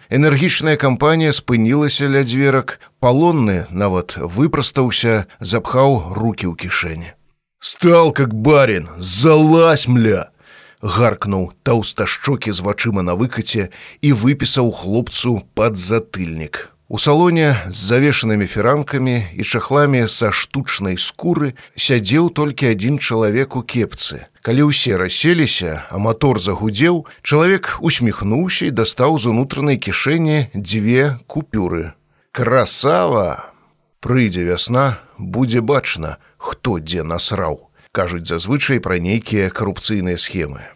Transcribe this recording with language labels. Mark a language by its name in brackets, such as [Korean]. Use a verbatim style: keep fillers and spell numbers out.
[Belarusian] Энергічная кампанія спынілася ля дзверак. Палонны нават выпрастаўся, запхаў рукі ў кішэні. «Стал как барин! Залазь, мля!» Гаркнуў таўсташчокі з вачыма на выкаце і выпісаў хлопцу падзатыльнік. [Russian] У салоне с завешенными фиранками и чахлами со штучной скуры сядзеў только один человек у кепцы. [Belarusian] Калі ўсе расселіся, а мотор загудзеў, чалавек усміхнуўся і дастаў з унутранай кішэні дзве купюры. «Красава! Прыйдзе вясна, будзе бачна, хто дзе насраў», кажуць зазвычай пра нейкія карупцыйныя схемы.